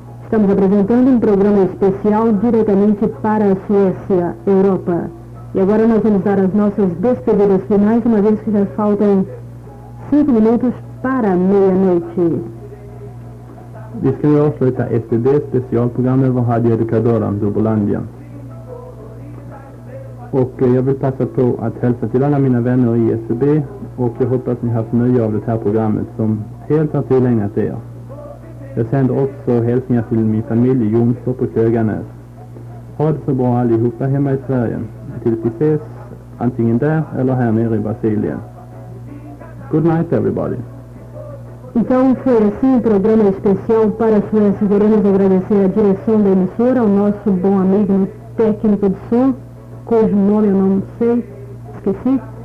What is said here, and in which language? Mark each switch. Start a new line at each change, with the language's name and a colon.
Portuguese: Estamos apresentando um programa especial diretamente para a Suécia, Europa. E agora nós vamos dar as nossas despedidas finais, uma vez que já faltam 5 minutos para meia-noite. Descreve hoje a SPD especial programa da Rádio Educadora de Uberlândia.
Swedish: Och jag vill passa på att hälsa till alla mina vänner i SEB och jag hoppas att ni har haft nöje av det här programmet som helt har tillägnat er. Jag sänder också hälsningar till min familj Jonstorp och Köganäs. Ha det så bra allihopa hemma i Sverige tills vi ses antingen där eller här nere i Brasilien.
English: Good night everybody.
Portuguese: Então foi assim o programa especial para a Suécia. Queremos agradecer a direção da emissora, ao nosso bom amigo técnico de som, cujo nome eu não sei, esqueci.